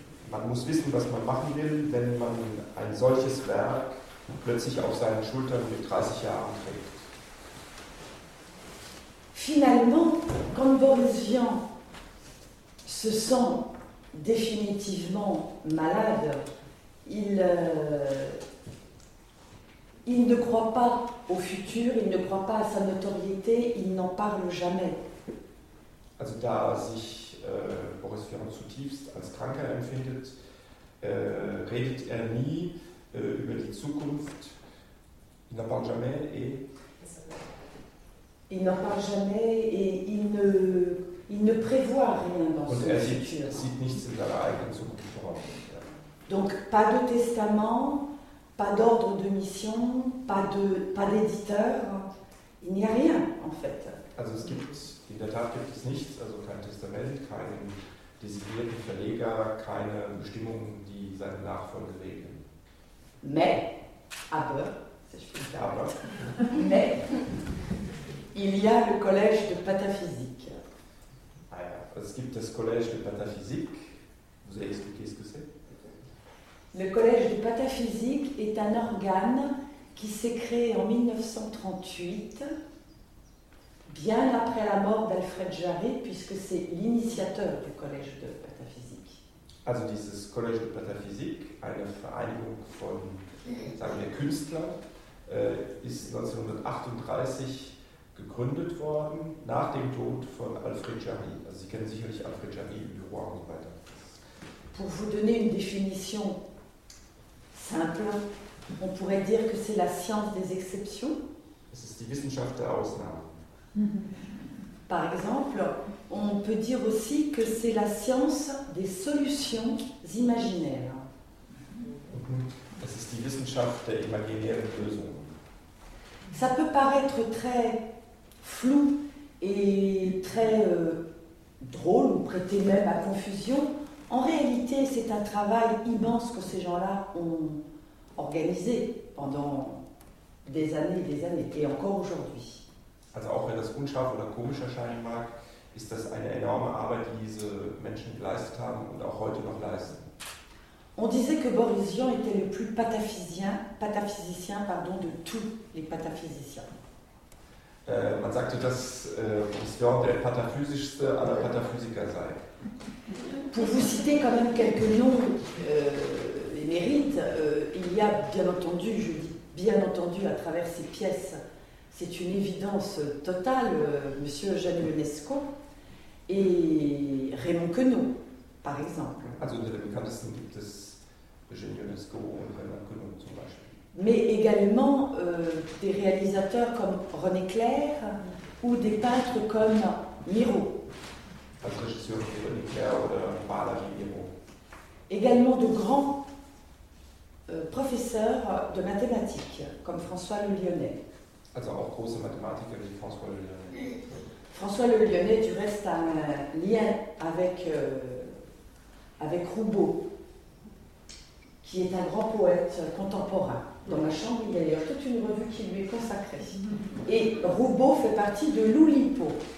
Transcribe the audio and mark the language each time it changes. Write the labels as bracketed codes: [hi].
[de] Man muss wissen, was man machen will, wenn man ein solches Werk plötzlich auf seinen Schultern mit 30 Jahren trägt. [fr] Finalement, quand Boris Vian se sent définitivement malade, il ne croit pas au futur, il ne croit pas à sa notoriété, il n'en parle jamais. [de] Also da sich Boris Vian zutiefst als Kranker empfindet, redet er nie über die Zukunft. [fr] Il n'en parle jamais et... Il n'en parle jamais et il ne prévoit rien dans [de] Und [fr] son [de] er [fr] futur. [de] Sieht nichts in seiner eigenen Zukunft vor. [fr] Donc pas de testament, pas d'ordre de mission, pas d'éditeur, il n'y a rien en fait. [de] Also es gibt, in der Tat gibt es nichts, also kein Testament, keinen designierten Verleger, keine Bestimmungen, die seine Nachfolge regeln. [fr] Mais, aber, c'est je peux dire, mais, il y a le Collège de Pataphysique. [de] Ah ja, es gibt das Collège de Pataphysique. [fr] Vous avez expliqué ce que c'est? Le Collège de Pataphysique est un organe qui s'est créé en 1938, bien après la mort d'Alfred Jarry, puisque c'est l'initiateur du Collège de Pataphysique. [de] Also dieses Collège de Pataphysique, eine Vereinigung von, sagen wir, Künstlern, ist 1938 gegründet worden, nach dem Tod von Alfred Jarry. Also Sie kennen sicherlich Alfred Jarry, Le Roi und so weiter. [fr] Pour vous donner une définition simple, on pourrait dire que c'est la science des exceptions. [de] Es ist die Wissenschaft der Ausnahmen. [fr] Par exemple, on peut dire aussi que c'est la science des solutions imaginaires. [de] Es ist die Wissenschaft der imaginären Lösungen. [fr] Ça peut paraître très flou et très drôle, ou prêter même à confusion. En réalité, c'est un travail immense que ces gens-là ont organisé pendant des années et des années, et encore aujourd'hui. [de] Also auch wenn das unscharf oder komisch erscheinen mag, ist das eine enorme Arbeit, die diese Menschen geleistet haben und auch heute noch leisten. [fr] On disait que Boris Vian était le plus pataphysicien, pardon, de tous les pataphysiciens. [de] Man sagte, dass Boris Vian der pataphysischste aller Pataphysiker sei. [fr] Pour vous citer quand même quelques noms émérites, il y a bien entendu, je dis bien entendu à travers ses pièces, c'est une évidence totale, Monsieur Eugène Ionesco et Raymond Queneau, par exemple. [de] Also, unter den bekanntesten gibt es Eugène Ionesco und Raymond Queneau, zum Beispiel. [fr] Mais également des réalisateurs comme René Clair ou des peintres comme Miro. [de] Also, Regisseur wie René Clair oder Maler wie Miro. [fr] Également de grands professeurs de mathématiques comme François Le Lionnais. [de] Also auch große Mathematiker wie François Le Lionnais. [fr] François Le Lionnais, du reste, a un lien avec Roubaud, qui est un grand poète contemporain. Dans la chambre, il y a d'ailleurs toute une revue qui lui est consacrée. Et Roubaud fait partie de l'Oulipo.